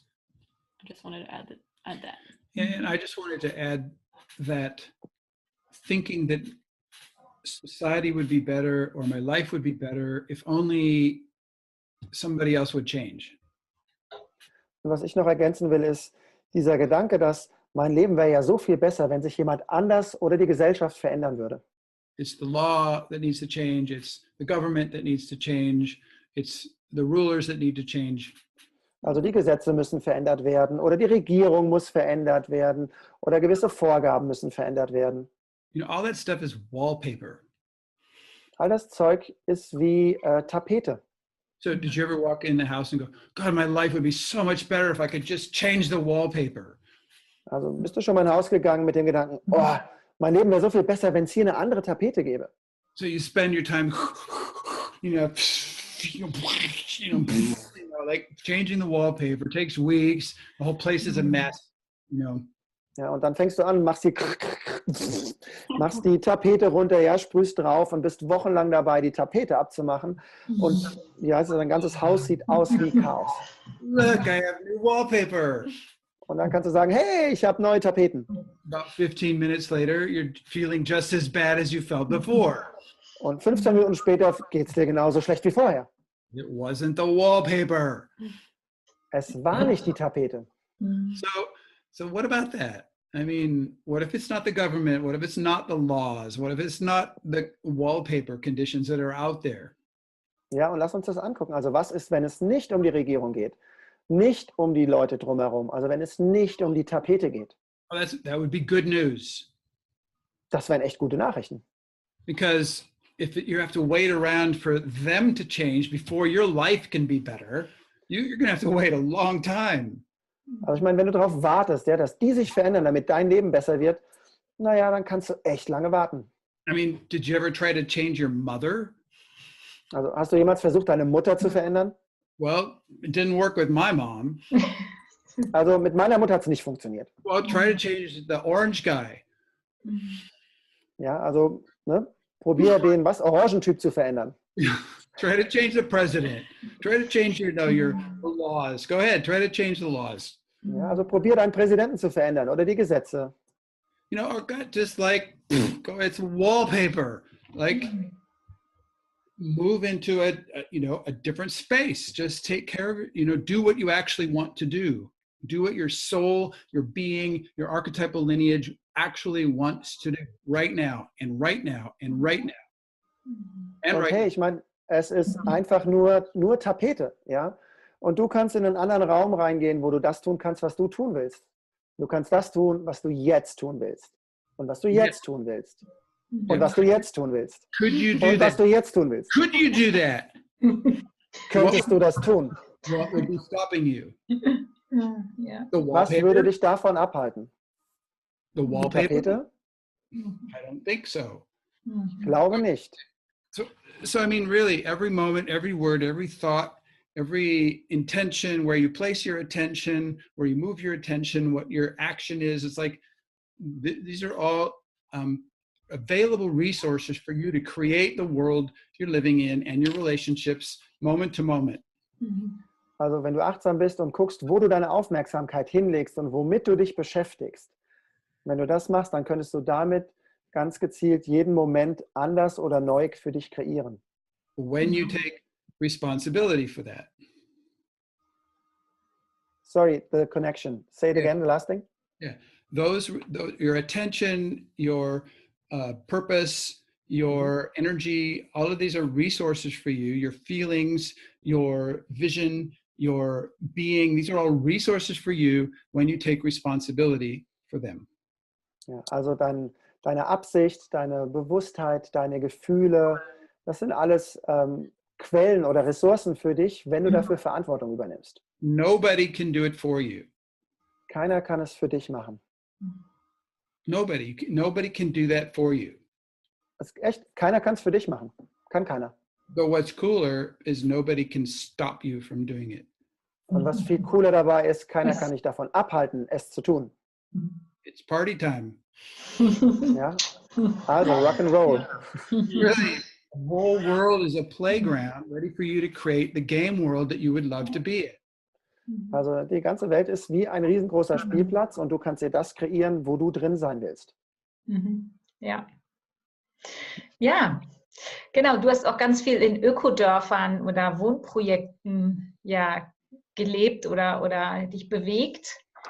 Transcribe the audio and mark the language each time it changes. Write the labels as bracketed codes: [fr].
[en] So I just wanted to add that. Yeah, and I just wanted to add that thinking that society would be better or my life would be better if only somebody else would change. [de] Und was ich noch ergänzen will, ist dieser Gedanke, dass mein Leben wäre ja so viel besser, wenn sich jemand anders oder die Gesellschaft verändern würde. [en] It's the law that needs to change. It's the government that needs to change. It's the rulers that need to change. [de] Also die Gesetze müssen verändert werden oder die Regierung muss verändert werden oder gewisse Vorgaben müssen verändert werden. [en] You know, all that stuff is wallpaper. [de] All das Zeug ist wie Tapete. [en] So did you ever walk in the house and go, God, my life would be so much better if I could just change the wallpaper? [de] Also bist du schon mal in ein Haus gegangen mit dem Gedanken, oh, mein Leben wäre so viel besser, wenn es hier eine andere Tapete gäbe? [en] So you spend your time, like changing the wallpaper takes weeks, the whole place is a mess, you know. [de] Ja, und dann fängst du an, machst die Tapete runter, ja, sprühst drauf und bist wochenlang dabei, die Tapete abzumachen. Und ja, also dein ganzes Haus sieht aus wie Chaos. [en] Look, I have new wallpaper. [de] Und dann kannst du sagen, hey, ich habe neue Tapeten. [en] About 15 minutes later, you're feeling just as bad as you felt before. [de] Und 15 Minuten später geht es dir genauso schlecht wie vorher. [en] It wasn't the wallpaper. [de] Es war nicht die Tapete. [en] So what about that? I mean, what if it's not the government? What if it's not the laws? What if it's not the wallpaper conditions that are out there? [de] Ja, und lass uns das angucken. Also was ist, wenn es nicht um die Regierung geht? Nicht um die Leute drumherum? Also wenn es nicht um die Tapete geht? [en] Oh, that would be good news. [de] Das wären echt gute Nachrichten. [en] Because if you have to wait around for them to change before your life can be better, you're going to have to wait a long time. [de] Also ich meine, wenn du darauf wartest, ja, dass die sich verändern, damit dein Leben besser wird, naja, dann kannst du echt lange warten. [en] I mean, did you ever try to change your mother? [de] Also hast du jemals versucht, deine Mutter zu verändern? [en] Well, it didn't work with my mom. [de] Also mit meiner Mutter hat es nicht funktioniert. [en] Well, try to change the orange guy. [de] Ja, also ne, probier den, was, Orangentyp zu verändern. [en] Try to change the president. Try to change your laws. Go ahead, try to change the laws. [de] Ja, also probier deinen Präsidenten zu verändern oder die Gesetze. [en] You know, or just like, it's wallpaper. Like, move into a different space. Just take care of it. You know, do what you actually want to do. Do what your soul, your being, your archetypal lineage actually wants to do right now and right now and right now. And okay, right now. [de] Ich meine, es ist einfach nur Tapete, ja? Und du kannst in einen anderen Raum reingehen, wo du das tun kannst, was du tun willst. Du kannst das tun, was du jetzt tun willst. Und was du jetzt tun willst. Und was du jetzt tun willst. [en] Could you do [de] und was [en] that? [de] Du jetzt tun willst. [en] Could you do that? [de] Könntest du das tun? [en] What would be stopping you? Yeah. The wallpaper? [de] Was würde dich davon abhalten? [en] The wallpaper? [de] Tapete? [en] I don't think so. [de] Ich glaube nicht. [en] So I mean, really, every moment, every word, every thought, every intention, where you place your attention, where you move your attention, what your action is, it's like these are all available resources for you to create the world you're living in and your relationships moment to moment. [de] Also wenn du achtsam bist und guckst, wo du deine Aufmerksamkeit hinlegst und womit du dich beschäftigst, wenn du das machst, dann könntest du damit ganz gezielt jeden Moment anders oder neu für dich kreieren. [en] When you take responsibility for that. Sorry, the connection. Say it again, the last thing. Yeah. Those your attention, your purpose, your energy, all of these are resources for you. Your feelings, your vision, your being, these are all resources for you when you take responsibility for them. [de] Ja, also dann deine Absicht, deine Bewusstheit, deine Gefühle, das sind alles Quellen oder Ressourcen für dich, wenn du dafür Verantwortung übernimmst. [en] Nobody can do it for you. [de] Keiner kann es für dich machen. [en] Nobody can do that for you. [de] Echt, keiner kann es für dich machen. Kann keiner. [en] But what's cooler is nobody can stop you from doing it. [de] Und was viel cooler dabei ist, keiner kann dich davon abhalten, es zu tun. [en] It's party time. [de] Ja, also rock and roll. [en] Really, the whole world is a playground ready for you to create the game world that you would love to be in. [de] Also die ganze Welt ist wie ein riesengroßer Spielplatz und du kannst dir das kreieren, wo du drin sein willst. Mhm. Ja. Ja, genau. Du hast auch ganz viel in Ökodörfern oder Wohnprojekten ja gelebt oder dich bewegt.